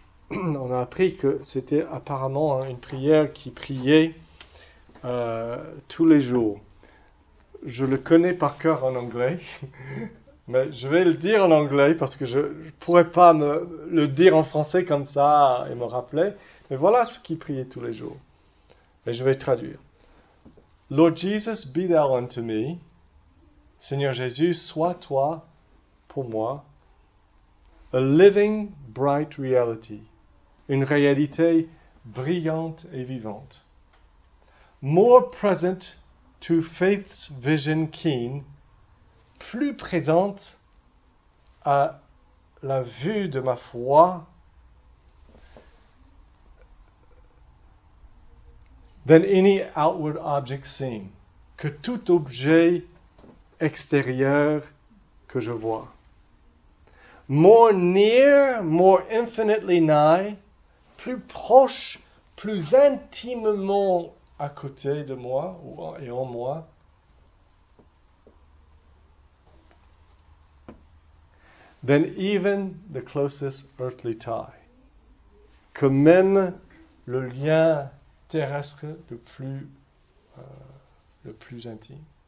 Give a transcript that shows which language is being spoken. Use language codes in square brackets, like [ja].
[fr] On a appris que c'était apparemment une prière qui priait tous les jours. Je le connais par cœur en anglais, mais je vais le dire en anglais parce que je ne pourrais pas le dire en français comme ça et me rappeler. Mais voilà ce qu'il priait tous les jours. Et je vais traduire. [en] Lord Jesus, be thou unto me. [fr] Seigneur Jésus, sois-toi pour moi. [en] A living, bright reality. [fr] Une réalité brillante et vivante. [en] More present to faith's vision keen, [fr] plus présente à la vue de ma foi, [en] than any outward object seen, [fr] que tout objet extérieur que je vois. [en] More near, more infinitely nigh, [fr] plus proche, plus intimement à côté de moi et en moi. [en] Than even the closest earthly tie. [fr] Que même le lien terrestre le plus intime.